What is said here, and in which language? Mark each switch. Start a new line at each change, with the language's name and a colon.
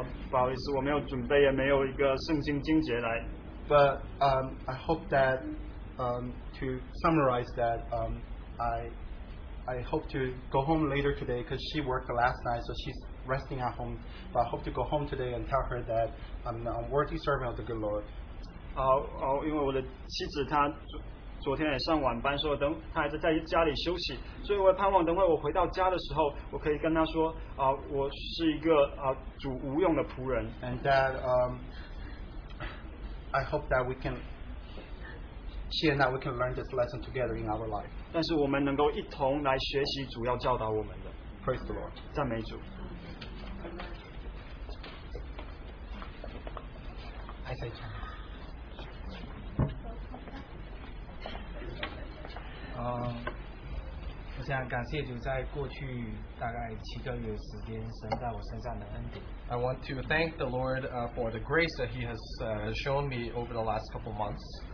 Chinese: 不好意思，我没有准备，也没有一个圣经经节来。
English: But I hope that to summarize that I hope to go home later today because she worked last night, so she's resting at home. But I hope to go home today and tell her that I'm a worthy servant of the good Lord.
Chinese: 因为我的妻子她昨天也上晚班，所以等她还是在家里休息，所以我盼望等会我回到家的时候，我可以跟她说，我是一个主无用的仆人。
English: And that I hope that we can. She and I, we can learn this lesson together in our life.
Chinese: 但是我们能够一同来学习主要教导我们的。
English: Praise the Lord.
Chinese: 赞美主。
English: I say, Chan.
Chinese: I 想感谢主在过去大概七个月时间神在我身上的恩典。
English: I want to thank the Lord for the grace that He has shown me over the last couple months.